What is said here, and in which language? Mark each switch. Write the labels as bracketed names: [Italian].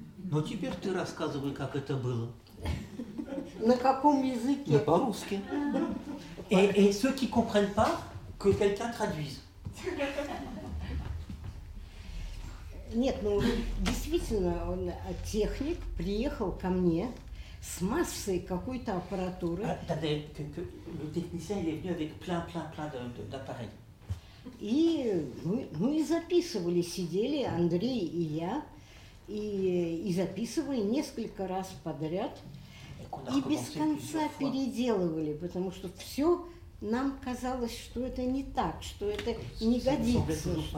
[Russian] Но теперь ты рассказывай, как это было. На каком языке? На по-русски. [French] Et ceux qui ne comprennent pas, que quelqu'un traduise. [Russian] Нет, ну, действительно, он, техник приехал ко мне с массой какой-то аппаратуры. [French] Le technicien est venu avec plein d'appareils. [Russian] И мы записывали, сидели, Андрей и я, и записывали несколько раз подряд. И без конца переделывали, потому что все нам казалось, что это не так, что это не годится.